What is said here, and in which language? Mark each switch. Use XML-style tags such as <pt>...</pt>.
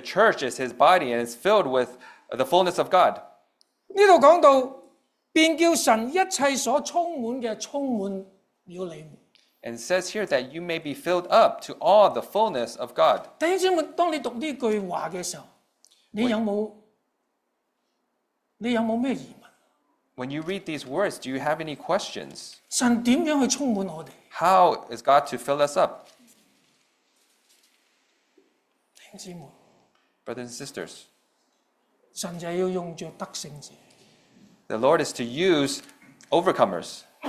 <en>church is his body and is filled with the fullness of God.</en> <zh>这里讲到，便叫神一切所充满的充满了你们。</zh> <en>And it says here that you may be filled up to all the fullness of God.</en> <zh>弟兄姊妹，当你读这句话的时候，你有没有什么疑问？</zh> <en>When you read these words, do you have any questions?</en> <zh>神怎样去充满我们?</zh> <en>How is God to fill us up?</en> <zh>弟兄姊妹,</zh> <en>Brothers and sisters,</en> <zh>神就要用着得胜者,</zh> <en>the Lord is to use overcomers,</en>